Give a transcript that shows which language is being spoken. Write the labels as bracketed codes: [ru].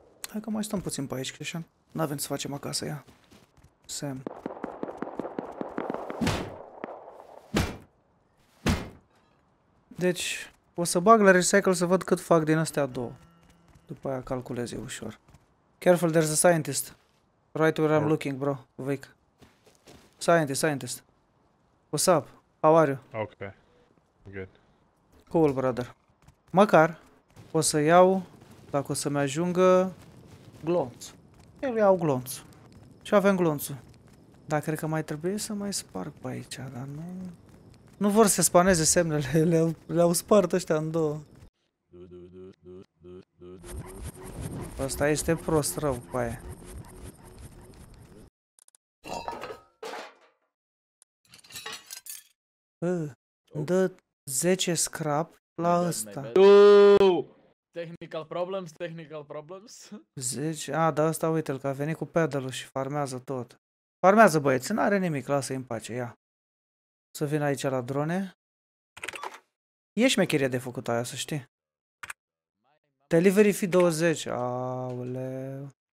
[ro] Hai că mai stăm puțin pe aici, Creșan. N-avem să facem acasă, ia. Sam. Deci, o să bag la recycle să văd cât fac din astea două. După aia calculez eu ușor. [en] Careful, there's a scientist. Right where I'm looking, bro. Wake. Scientist. What's up? How are you? Okay. Good. Cool, brother. [ro] Măcar o să iau, dacă o să-mi ajungă, glonț. Eu iau glonț. Și avem glonțul. Da, cred că mai trebuie să mai sparg pe aici, dar nu... Nu vor să spaneze semnele, le-au spart ăștia în două. Ăsta este prost rău pe aia. Dă 10 scrap la ăsta. [en] Technical problems, technical problems. [ro] 10, a, dar ăsta uite-l că a venit cu pedalul și farmează tot. Farmează, băieți, n-are nimic, lasă-i în pace, ia. Să vin aici la drone. E șmecherie de făcut aia, să știi. [en] Delivery fee [ro] 20, aoleu.